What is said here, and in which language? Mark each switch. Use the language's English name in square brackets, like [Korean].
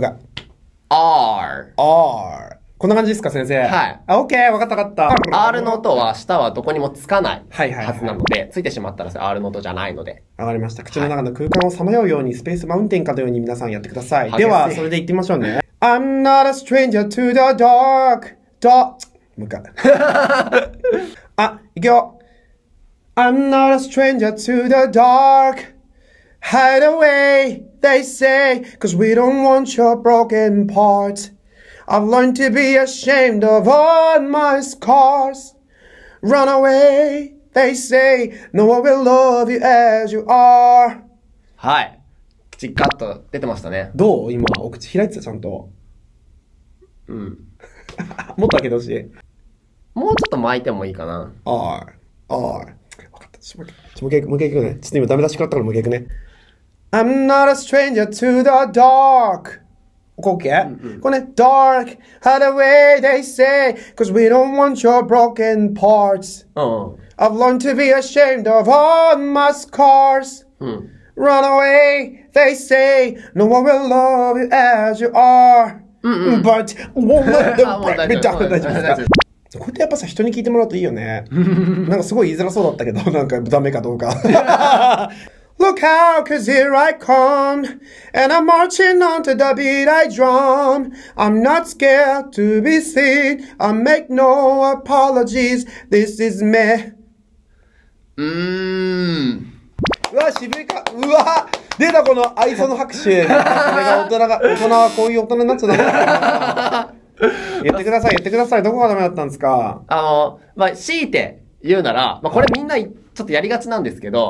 [Japanese] 回。R。 R。こんな感じですか、先生。はい。あ、OK! わかったわかった。 R の音は、舌はどこにもつかないはずなので、はいはいはい、ついてしまったら R の音じゃないので。わかりました。口の中の空間をさまようように、はい、スペースマウンテンかのように皆さんやってください。では、それで行ってみましょうね。 [English] I'm not a stranger to the dark. [Japanese] もう一回。あ、行くよ。 [English] I'm not a stranger to the dark. Hide away, they say, 'cause we don't want your broken parts. I've learned to be ashamed of all my scars. Run away, they say, no one will love you as you are. [Japanese] はい。口ガッと出てましたね。どう？今、お口開いてた、ちゃんと。うん。もっと開けてほしい。もうちょっと巻いてもいいかな。 R。 R。 わかった。ちょっともう一回行くね。ちょっと今ダメ出し食らったからもう一回行くね。 [English] I'm not a stranger to the dark. OK? [Japanese] うん、うん、これね、 [English] dark, hide away, they say, 'cause we don't want your broken parts. I've learned to be ashamed of all my scars.、 [Japanese] うん、 [English] Run away, they say, no one will love you as you are.、 [Japanese] うんうん、 [English] But won't let them break me down. [Japanese] 大丈夫ですか？こうやってやっぱさ、人に聞いてもらうといいよね。なんかすごい言いづらそうだったけど、なんかダメかどうか。 [English] Look out, cause here I come, and I'm marching on to the beat I drum. I'm not scared to be seen, I make no apologies, this is me. [Japanese] うわ、渋いか、うわ、出たこの愛想の拍手。これが大人が、大人はこういう大人になっちゃう。言ってください、言ってください。どこがダメだったんですか？まあ、強いて言うなら、まあ、これみんな、ちょっとやりがちなんですけど、